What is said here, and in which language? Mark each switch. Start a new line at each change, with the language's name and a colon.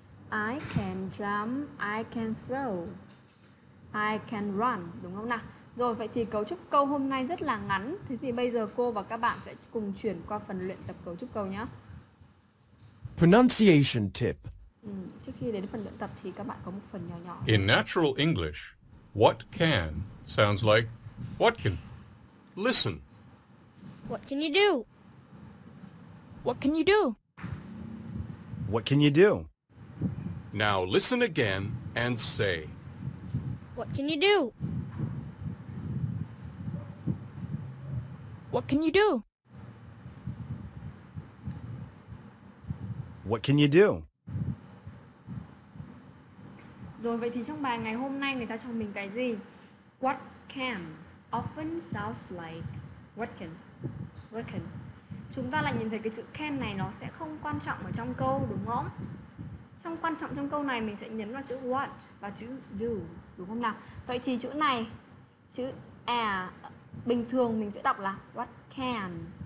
English: I can jump, I can throw, I can run,
Vietnamese: đúng không nào? Rồi, vậy thì cấu trúc câu hôm nay rất là ngắn. Thế thì bây giờ cô và các bạn sẽ cùng chuyển qua phần luyện tập cấu trúc câu nhé.
English: Pronunciation tip.
Vietnamese: Trước khi đến phần luyện tập thì các bạn có một phần nhỏ nhỏ.
English: In natural English, what can sounds like what can. Listen. What can you do? What can you do? What can you do? Now listen again and say. What can you do? What can you do? What can you do?
Vietnamese: Rồi, vậy thì trong bài ngày hôm nay người ta cho mình cái gì?
English: What can often sounds like what can. What can.
Vietnamese: Chúng ta là nhìn thấy cái chữ can này nó sẽ không quan trọng ở trong câu, đúng không? Trong quan trọng trong câu này mình sẽ nhấn vào chữ what và chữ do, đúng không nào? Vậy thì chữ này, chữ are, bình thường mình sẽ đọc là what can.